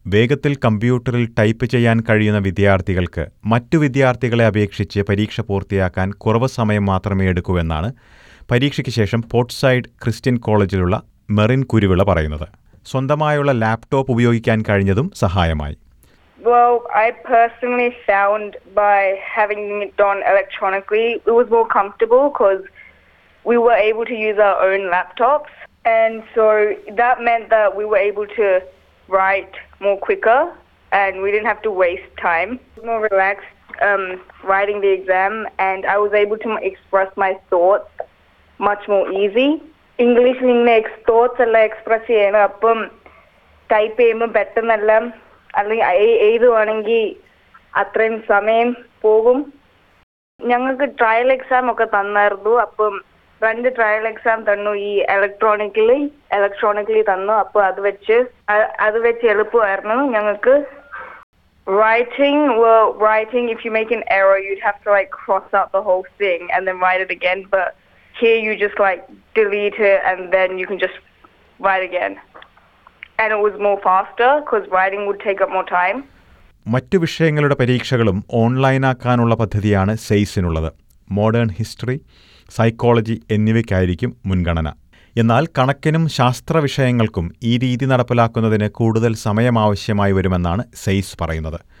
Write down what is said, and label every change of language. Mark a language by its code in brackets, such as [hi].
[ml] വേഗത്തിൽ കമ്പ്യൂട്ടറിൽ ടൈപ്പ് ചെയ്യാൻ കഴിയുന്ന വിദ്യാർത്ഥികൾക്ക് മറ്റു വിദ്യാർത്ഥികളെ അപേക്ഷിച്ച് പരീക്ഷ പൂർത്തിയാക്കാൻ കുറവ് സമയം മാത്രമേ എടുക്കൂവെന്നാണ് പരീക്ഷയ്ക്ക് ശേഷം പോർട്ട്സൈഡ് ക്രിസ്ത്യൻ കോളേജിലുള്ള മെറിൻ കുരുവിള പറയുന്നത്. സ്വന്തമായുള്ള ലാപ്ടോപ്പ് ഉപയോഗിക്കാൻ കഴിഞ്ഞതും സഹായമായി. [en] Well, I personally found by having it done electronically, it was more comfortable because we were able to use our own laptops. And so that meant that we were able to write more quicker and we didn't have to waste time. It was more relaxed writing the exam and I was able to express my thoughts much more easy. English in the thoughts and express it, but type it better than that. [ml] അല്ലെങ്കിൽ ഏത് വേണമെങ്കിൽ അത്രയും സമയം പോകും. ഞങ്ങൾക്ക് trial exam ഒക്കെ തന്നായിരുന്നു. അപ്പം രണ്ട് ട്രയൽ എക്സാം തന്നു, ഈ ഇലക്ട്രോണിക്കലി തന്നു. അപ്പോൾ അത് വെച്ച് എളുപ്പമായിരുന്നു ഞങ്ങൾക്ക്. [en] Writing, if you make an error, you'd have to like cross out the whole thing and then write it again. But here you just like delete it and then you can just write again. And it was more faster because writing would take up more time. [ml] മറ്റു വിഷയങ്ങളുടെ പരീക്ഷകളും online ആക്കാനുള്ള പദ്ധതിയാണ് സെയ്സിനുള്ളത്. Modern history, psychology എന്നിവയ്ക്കായിരിക്കും മുൻഗണന. എന്നാൽ കണക്കിനും ശാസ്ത്ര വിഷയങ്ങൾക്കും ഈ രീതി നടപ്പിലാക്കുന്നതിന് കൂടുതൽ സമയം ആവശ്യമായി വരുമെന്നാണ് സെയ്സ് പറയുന്നത്.